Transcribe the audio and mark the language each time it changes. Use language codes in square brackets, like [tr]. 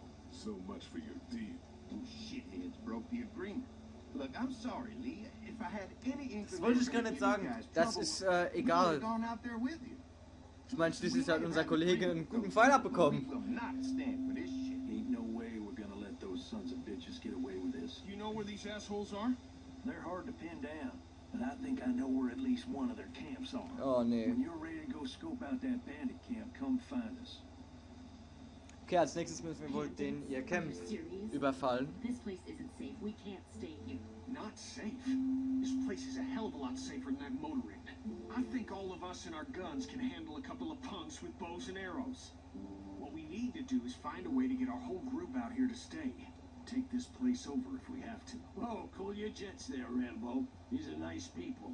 [en] So much for your deal. You shitheads broke the agreement. Look, I'm sorry, Lee. If I had any inclination to give you guys trouble, we would have gone out there with you. [de] Ich meine, schließlich hat unser Kollege einen guten Fall abbekommen. [en] Ain't no way we're gonna let those sons of bitches get away with this. You know where these assholes are? They're hard to pin down, but I think I know where at least one of their camps are. [de] Oh, nee. [en] When you're ready to go scope out that bandit camp, come find us. [de] Okay, als nächstes müssen wir wohl den ihr Camp überfallen. [en] This place isn't safe. We can't stay here. Not safe. This place is a hell of a lot safer than that motor inn. I think all of us and our guns can handle a couple of punks with bows and arrows. What we need to do is find a way to get our whole group out here to stay. Take this place over if we have to. Oh, cool your jets there, Rambo. These are nice people.